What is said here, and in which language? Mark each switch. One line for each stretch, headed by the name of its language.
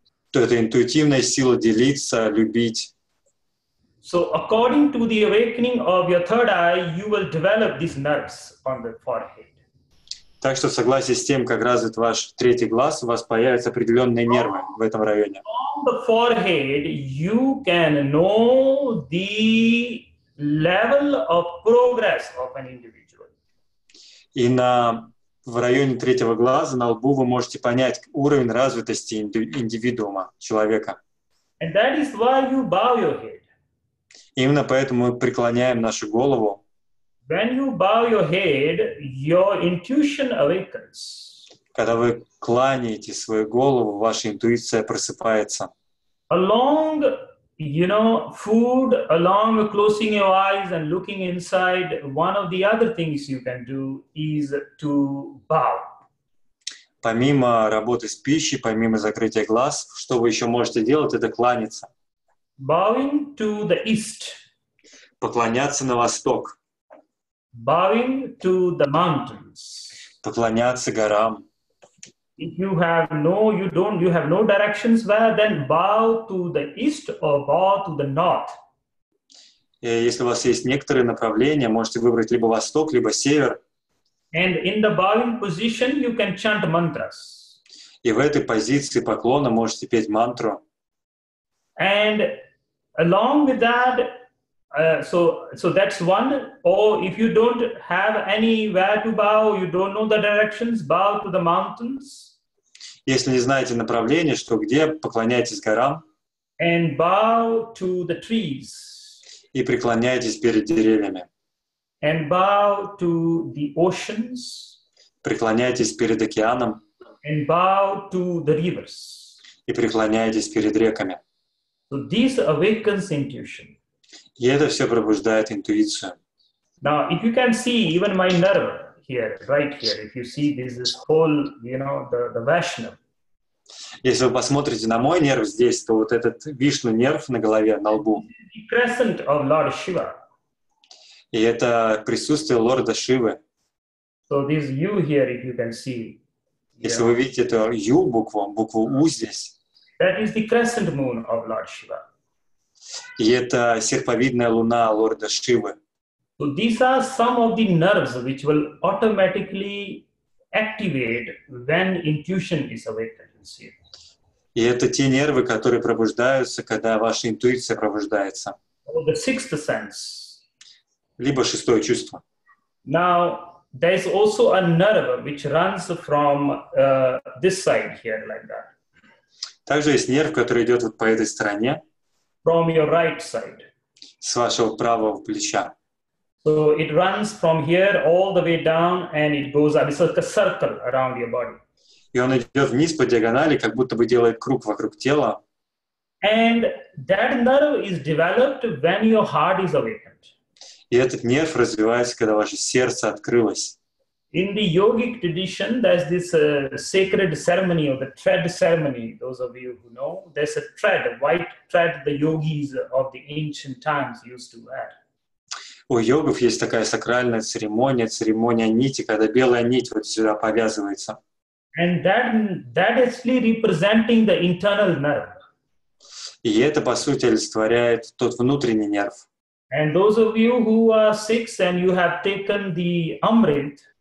Russian: То это интуитивная сила делиться, любить.
English: So according to the awakening of your third eye, you will develop these nerves on the forehead.
Russian: Так что в согласии с тем, как развит ваш третий глаз, у вас появятся определенные нервы в этом районе.
English: On the forehead, you can know the level of progress of an individual.
Russian: И в районе третьего глаза, на лбу, вы можете понять уровень развитости индивидуума, человека.
English: And that is why you bow your head.
Russian: Именно поэтому мы преклоняем нашу голову.
English: When you bow your head, your intuition awakens.
Russian: Когда вы кланяете свою голову, ваша интуиция просыпается.
English: Along, food, along closing your eyes and looking inside, one of the other things you can do is to bow.
Russian: Помимо работы с пищей, помимо закрытия глаз, что вы еще можете делать, это кланяться.
English: Bowing to the east.
Russian: Поклоняться на восток.
English: Bowing to the mountains.
Russian: Поклоняться горам.
English: If you have no, you don't, you have no directions where, then bow to the east or bow to the north.
Russian: Если у вас есть некоторые направления, можете выбрать либо восток, либо север.
English: And in the bowing position, you can chant mantras.
Russian: И в этой позиции поклона можете петь мантру.
English: And along with that, so that's one. Or if you don't have anywhere to bow, you don't know the directions, bow to the mountains.
Russian: Если не знаете направления, что где, поклоняйтесь горам.
English: And bow to the trees.
Russian: И преклоняйтесь перед деревьями.
English: And bow to the oceans.
Russian: Преклоняйтесь перед океаном.
English: And bow to the rivers.
Russian: И преклоняйтесь перед реками.
English: So this awakens intuition.
Russian: И это все пробуждает интуицию.
English: Now, if you can see even my nerve,
Russian: если вы посмотрите на мой нерв здесь, то вот этот Вишну нерв на голове, на лбу.
English: The crescent of Lord Shiva.
Russian: И это присутствие Лорда Шивы.
English: So this U here, if you can see.
Russian: Если вы видите эту U букву, букву U здесь.
English: That is the crescent moon of Lord Shiva.
Russian: И это серповидная луна лорда Шивы.
English: So these are some of the nerves which will automatically activate when intuition is awakened.
Russian: И это те нервы, которые пробуждаются, когда ваша интуиция пробуждается.
English: Or the sixth sense.
Russian: Либо шестое чувство.
English: Now, there is also a nerve which runs from this side here, like that.
Russian: Также есть нерв, который идет вот по этой стороне.
English: From your right side.
Russian: С вашего правого плеча.
English: So it runs from here all the way down and it goes up. It's like a circle around your body.
Russian: И он идет вниз по диагонали, как будто бы делает круг вокруг тела.
English: And that nerve is developed when your heart is awakened.
Russian: И этот нерв развивается, когда ваше сердце открылось.
English: In the yogic tradition, there's this sacred ceremony or the thread ceremony. Those of you who know, there's a thread, a white thread, the yogis of the ancient times used to wear.
Russian: У йогов есть такая сакральная церемония, церемония нити, когда белая нить вот сюда повязывается.
English: And that actually representing the internal nerve.
Russian: И это по сути олицетворяет тот внутренний нерв.
English: And those of you who are six and you have taken the Amrit.